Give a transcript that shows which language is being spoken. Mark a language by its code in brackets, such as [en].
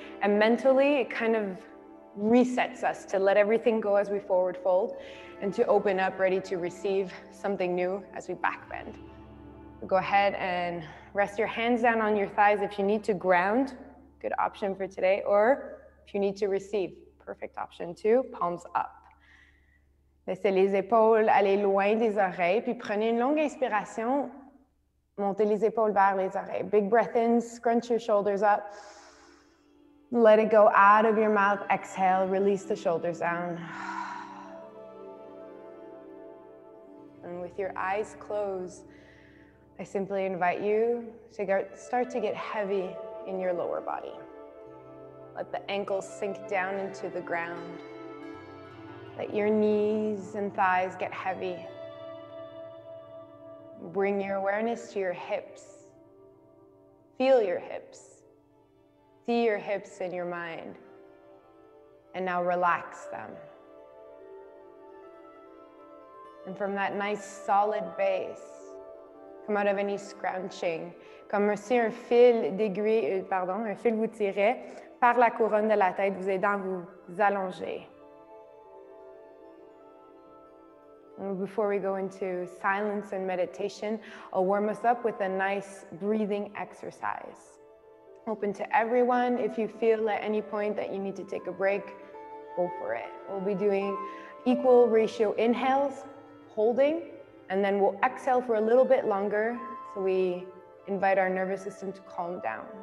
[en] And mentally, it kind of resets us to let everything go as we forward fold and to open up, ready to receive something new as we back bend. Go ahead and rest your hands down on your thighs if you need to ground, good option for today, or if you need to receive, perfect option too, palms up. [fr] Laissez les épaules aller loin des oreilles, puis prenez une longue inspiration. Montez les épaules vers les oreilles. [en] Big breath in, scrunch your shoulders up. Let it go out of your mouth. Exhale, release the shoulders down. And with your eyes closed, I simply invite you to start to get heavy in your lower body. Let the ankles sink down into the ground. Let your knees and thighs get heavy. Bring your awareness to your hips. Feel your hips. See your hips in your mind. And now relax them. And from that nice solid base, come out of any scrunching. [fr] Comme si un fil d'aiguille, pardon, un fil vous tirait par la couronne de la tête, vous aidant à vous allonger. [en] Before we go into silence and meditation, I'll warm us up with a nice breathing exercise. Open to everyone. If you feel at any point that you need to take a break, go for it. We'll be doing equal ratio inhales, holding, and then we'll exhale for a little bit longer so we invite our nervous system to calm down.